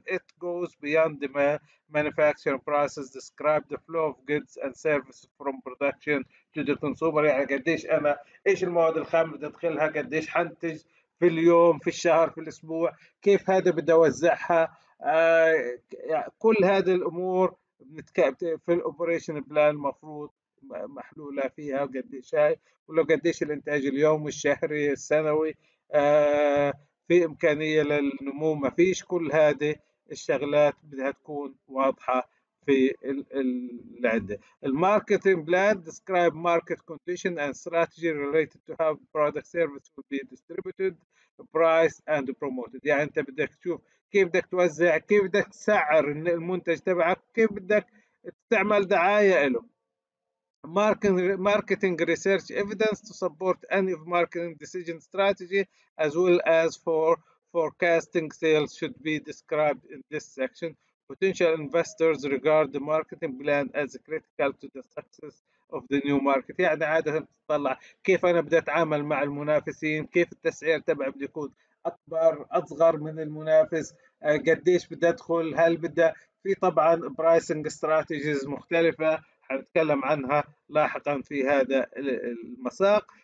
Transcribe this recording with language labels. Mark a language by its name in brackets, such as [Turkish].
[English] It goes beyond the manufacturing process, describe the flow of goods and services from production to the consumer. [Arabic] يعني قديش أنا، إيش المواد الخام اللي أدخلها، قديش حنتج في اليوم، في الشهر، في الأسبوع، كيف هذا بدي أوزعها، يعني كل هذه الأمور في الأوبريشن بلان المفروض محلولة فيها، وقديش هاي، ولو قديش الانتاج اليومي الشهري السنوي، في إمكانية للنمو، ما فيش، كل هذه الشغلات بدها تكون واضحة في العدة. [English] الماركتينج plan describe market condition and strategy related to how product service will be distributed, priced and promoted. [Arabic] يعني أنت بدك تشوف كيف بدك توزع، كيف بدك تسعر المنتج تبعك، كيف بدك تعمل دعاية له. [English] Marketing research evidence to support any of marketing decision strategy as well as for forecasting sales should be described in this section. Potential investors regard the marketing plan as critical to the success of the new market. [Arabic] يعني عادة تطلع كيف أنا بدي أتعامل مع المنافسين، كيف التسعير تبعي بدي يكون أكبر أصغر من المنافس، قديش بدي أدخل، هل بدي في طبعا [English] pricing strategies [Arabic] مختلفة هنتكلم عنها لاحقا في هذا المساق.